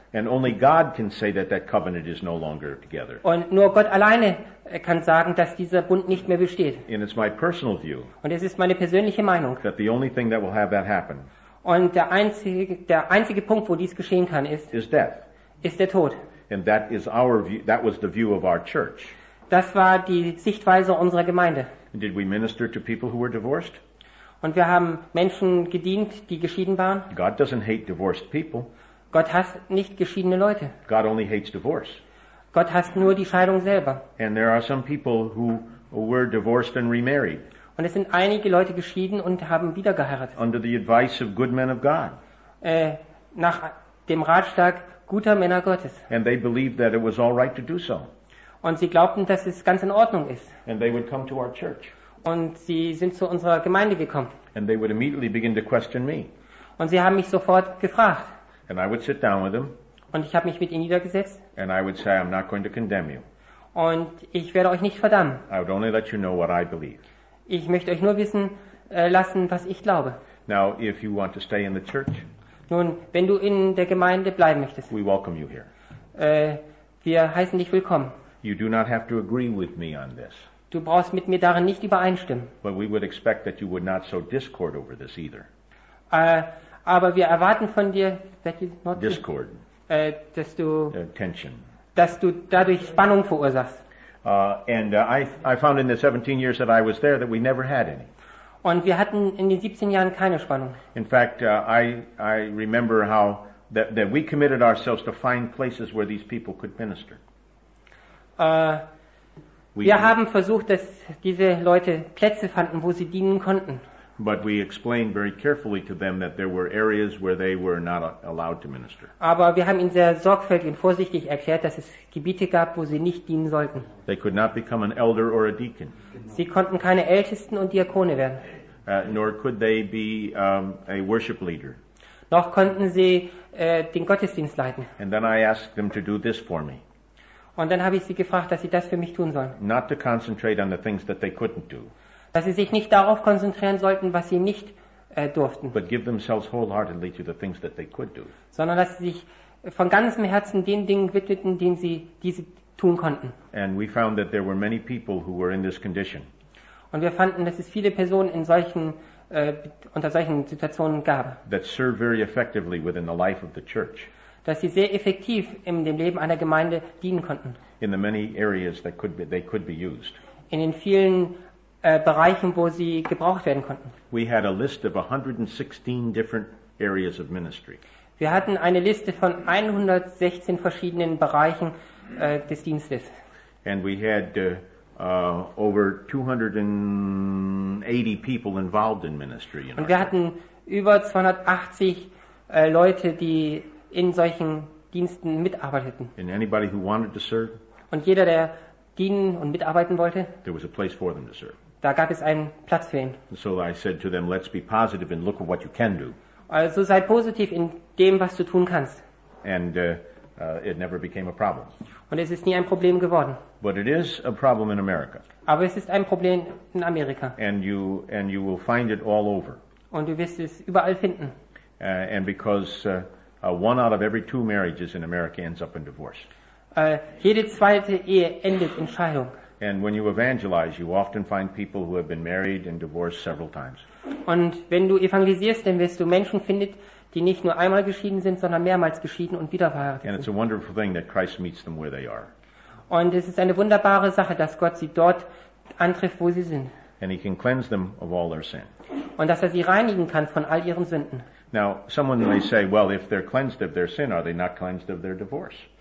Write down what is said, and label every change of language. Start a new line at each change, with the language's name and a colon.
English: And only God can say that that covenant is no longer together.
German: Und nur Gott alleine kann sagen, dass dieser Bund nicht mehr besteht.
English: And it's my personal view.
German: Und es ist meine persönliche Meinung.
English: That the only thing that will have that happen.
German: Und der einzige Punkt, wo dies geschehen kann, ist.
English: Is death.
German: Ist der Tod.
English: And that is our view. That was the view of our church.
German: Das war die Sichtweise unserer Gemeinde.
English: And did we minister to people who were divorced?
German: Und wir haben Menschen gedient, die geschieden waren.
English: God doesn't hate divorced people.
German: Gott hasst nicht geschiedene Leute.
English: God only hates divorce.
German: Gott hasst nur die Scheidung selber.
English: And there are some people who were divorced and remarried.
German: Und es sind einige Leute geschieden und haben wieder geheiratet.
English: Under the advice of good men of God.
German: Nach dem Ratschlag guter Männer Gottes.
English: And they believed that it was all right to do so.
German: Und sie glaubten, dass es ganz in Ordnung ist.
English: And they would come to our church.
German: Und sie sind zu unserer Gemeinde gekommen.
English: And they would immediately begin to question me.
German: Und sie haben mich sofort gefragt.
English: And I would sit down with them.
German: Und ich habe mich mit ihnen niedergesetzt.
English: And I would say, I'm not going to condemn you.
German: Und ich werde euch nicht verdammen.
English: I would only let you know what I believe.
German: Ich möchte euch nur wissen lassen, was ich glaube.
English: Now, if you want to stay in the church,
German: nun, wenn du in der Gemeinde bleiben möchtest,
English: we welcome you here.
German: Wir heißen dich willkommen.
English: You do not have to agree with me on this.
German: Du brauchst mit mir darin nicht übereinstimmen.
English: But we would expect that you would not sow discord over this either.
German: Aber wir erwarten von dir,
English: discord.
German: Dass du
English: tension.
German: Dass du dadurch Spannung verursachst.
English: I found in the 17 years that I was there that we never had any.
German: Und wir hatten in den 17 Jahren keine Spannung.
English: In fact, I remember how that we committed ourselves to find places where these people could minister.
German: Wir haben versucht, dass diese Leute Plätze fanden, wo sie dienen konnten.
English: But we explained very carefully to them that there were areas where they were not allowed to minister.
German: Aber wir haben ihnen sehr sorgfältig und vorsichtig erklärt, dass es Gebiete gab, wo sie nicht dienen sollten.
English: They could not become an elder or a deacon.
German: Sie konnten keine Ältesten und Diakone werden.
English: Nor could they be a worship leader.
German: Noch konnten sie den Gottesdienst leiten.
English: And then I asked them to do this for me.
German: Und dann habe ich sie gefragt, dass sie das für mich tun sollen.
English: Not to concentrate on the things that they couldn't do.
German: Dass sie sich nicht darauf konzentrieren sollten, was sie nicht durften.
English: But give themselves wholeheartedly to the things that they could do.
German: Sondern dass sie sich von ganzem Herzen den Dingen widmeten, die sie tun konnten.
English: And we found that there were many people who were in this condition.
German: Und wir fanden, dass es viele Personen in solchen unter solchen Situationen gab.
English: That served very effectively within the life of the church.
German: Dass sie sehr effektiv in dem Leben einer Gemeinde dienen konnten.
English: In the many areas that they could be used.
German: In den vielen Bereichen, wo sie gebraucht werden konnten.
English: We had a list of 116 different areas of ministry.
German: Wir hatten eine Liste von 116 verschiedenen Bereichen des Dienstes.
English: And we had over 280 people involved in ministry.
German: Und wir hatten über 280 Leute, die in solchen Diensten mitarbeiteten.
English: And anybody who wanted to serve.
German: Und jeder, der dienen und mitarbeiten wollte.
English: There was a place for them to serve.
German: Da gab es einen Platz für ihn.
English: So I said to them, let's be positive and look at what you can do.
German: Also sei positiv in dem, was du tun kannst.
English: And it never became a problem.
German: Und es ist nie ein Problem geworden.
English: But it is a problem in America.
German: Aber es ist ein Problem in Amerika.
English: And you will find it all over.
German: Und du wirst es überall finden.
English: And because one out of every two marriages in America ends up in divorce.
German: Jede zweite Ehe endet in Scheidung.
English: And when you evangelize, you often find people who have been married and divorced several times.
German: Und wenn du evangelisierst, dann wirst du Menschen finden, die nicht nur einmal geschieden sind, sondern mehrmals geschieden und wieder verheiratet sind.
English: And it's a wonderful thing that Christ meets them where they are.
German: Und es ist eine wunderbare Sache, dass Gott sie dort antrifft, wo sie sind.
English: And he can cleanse them of all their sin.
German: Und dass er sie reinigen kann von all ihren Sünden.
English: Now, someone may say, well, if they're cleansed of their sin, are they not cleansed of their divorce?